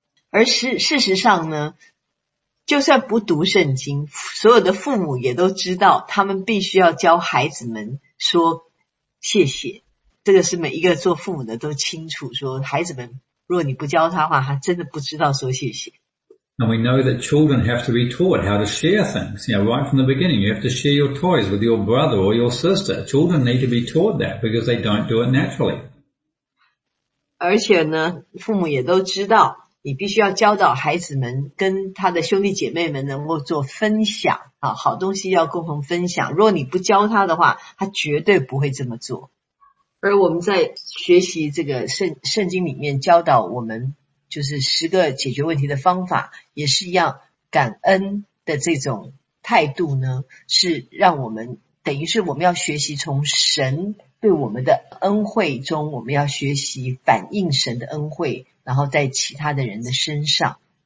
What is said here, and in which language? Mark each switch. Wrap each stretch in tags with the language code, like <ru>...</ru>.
<zh>而事实上呢，就算不读圣经，所有的父母也都知道他们必须要教孩子们说谢谢。这个是每一个做父母的都清楚，说孩子们如果你不教他的话，他真的不知道说谢谢。</zh> <en>And we know that children have to be taught how to share things. You know, right from the beginning, you have to share your toys with your brother or your sister. Children need to be taught that because they don't do it naturally.</en> <zh>而且呢，父母也都知道，你必须要教导孩子们跟他的兄弟姐妹们能够做分享啊，好东西要共同分享。如果你不教他的话，他绝对不会这么做。而我们在学习这个圣经里面教导我们，就是十个解决问题的方法，也是一样，感恩的这种态度呢，是让我们等于是我们要学习从神对我们的恩惠中，我们要学习反映神的恩惠，然后在其他的人的身上。</zh>